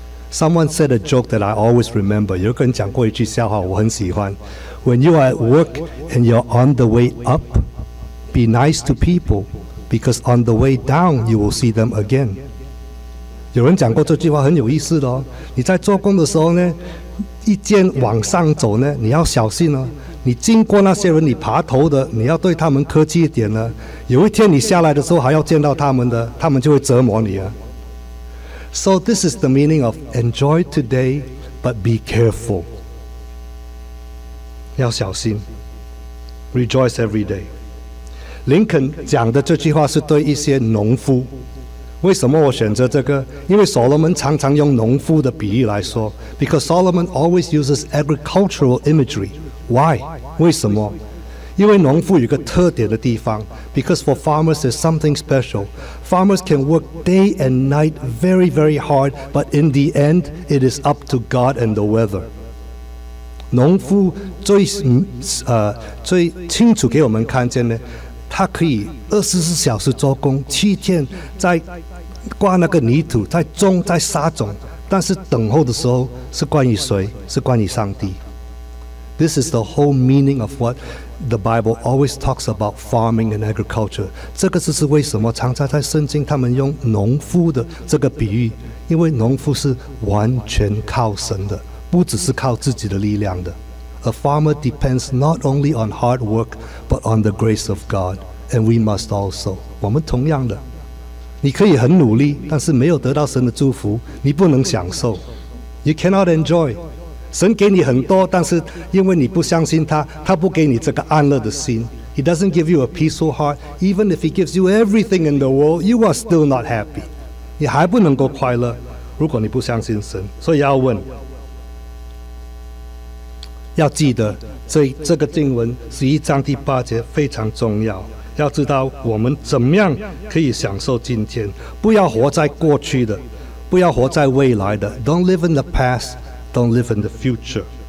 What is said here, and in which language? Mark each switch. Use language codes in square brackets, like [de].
[en] Someone said a joke that I always remember. [zh] 有个人讲过一句笑话我很喜欢 [en] When you are at work and you're on the way up, be nice to people. Because on the way down, you will see them again. [zh] 有人讲过这句话很有意思的哦。你在做工的时候呢，一肩往上走呢，你要小心哦。你经过那些人，你爬头的，你要对他们客气一点呢。有一天你下来的时候还要见到他们的，他们就会折磨你啊。 [en] So this is the meaning of enjoy today, but be careful. [zh] 要小心。 [en] Rejoice every day. [zh] 林肯讲的这句话是对一些农夫。为什么我选择这个？因为所罗门常常用农夫的比喻来说 ， [en] because Solomon always uses agricultural imagery. Why? [zh] 为什么？因为农夫有一个特点的地方 ， [en] because for farmers there's something special. Farmers can work day and night very, very hard, but in the end, it is up to God and the weather. [zh] 农夫最清楚给我们看见呢。他可以24小时做工，7天在挂那个泥土，在种，在撒种，但是等候的时候是关于谁？是关于上帝。 [en] This is the whole meaning of what the Bible always talks about farming and agriculture. [zh] 这个就是为什么常常在圣经他们用农夫的这个比喻，因为农夫是完全靠神的，不只是靠自己的力量的。 [en] A farmer depends not only on hard work, but on the grace of God, and we must also. [zh] 我们同样的，你可以很努力，但是没有得到神的祝福，你不能享受。 [en] You cannot enjoy. [zh] 神给你很多，但是因为你不相信他，他不给你这个安乐的心。 [en] He doesn't give you a peaceful heart. Even if he gives you everything in the world, you are still not happy. [zh] 你还不能够快乐，如果你不相信神。所以要问。要记得这个经文11章第8节非常重要要知道我们怎么样可以享受今天不要活在过去的不要活在未来的 [en] Don't live in the past Don't live in the future